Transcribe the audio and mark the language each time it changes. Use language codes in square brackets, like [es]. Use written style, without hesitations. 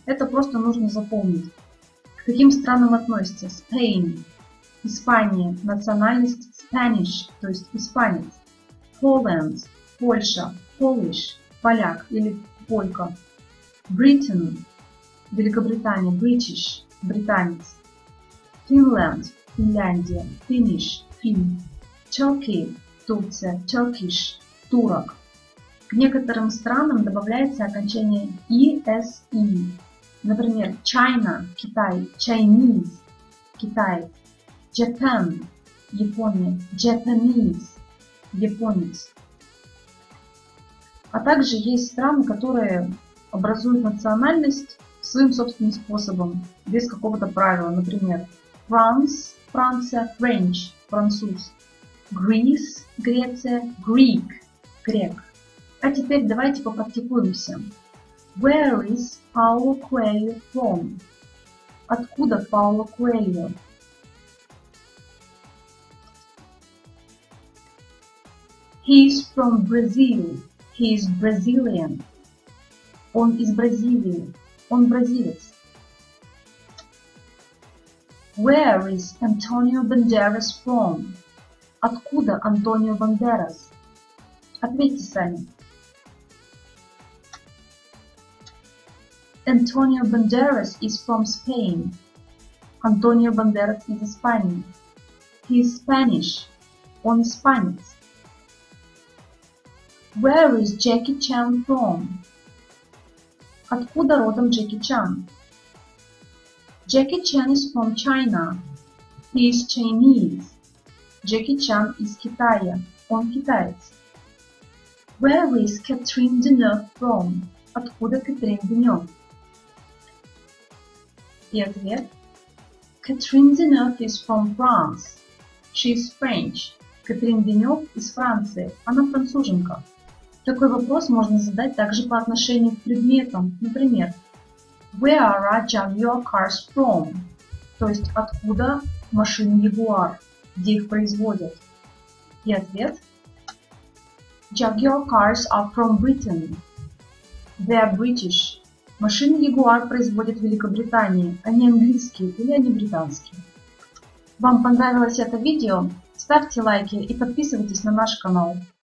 [ru] Это просто нужно запомнить. К каким странам относится? Spain, Испания, национальность Spanish, то есть испанец. Poland, Польша, Polish, поляк или полька. Britain, Великобритания, British, британец. [en] Finland, Финляндия, Finnish, Finn. [ru] Turkey, Турция, Turkish, турок. К некоторым странам добавляется окончание ESE. Например, China – Китай, Chinese – Китай. Japan – Япония, Japanese – японец. А также есть страны, которые образуют национальность своим собственным способом, без какого-то правила. Например, France – Франция, French – француз. Greece – Греция, Greek – грек. А теперь давайте попрактикуемся. [en] Where is Paulo Coelho from? [ru] Откуда [en] Paulo Coelho? He is from Brazil. He is Brazilian. [ru] Он из Бразилии. Он бразилец. [en] Where is Antonio Banderas from? [ru] Откуда Антонио Бандерас? Ответьте сами. [en] Antonio Banderas is from Spain. Antonio Banderas is Spanish. He is Spanish. [ru] Он испанец. [en] Where is Jackie Chan from? [ru] Откуда родом Jackie Chan? [en] Jackie Chan is from China. He is Chinese. [ru] Jackie Chan из Китая. Он китаец. [en] Where is Catherine Deneuve from? [ru] Откуда [en] Catherine Deneuve? [ru] И ответ. [en] Catherine Deneuve is from France. She is French. [ru] Catherine Deneuve из Франции. Она француженка. Такой вопрос можно задать также по отношению к предметам. Например, [en] Where are Jaguar cars from? [ru] То есть, откуда машины Jaguar? Где их производят? И ответ. [en] Jaguar cars are from Britain. They are British. [ru] Машины Jaguar производят в Великобритании, они английские или они британские. Вам понравилось это видео? Ставьте лайки и подписывайтесь на наш канал.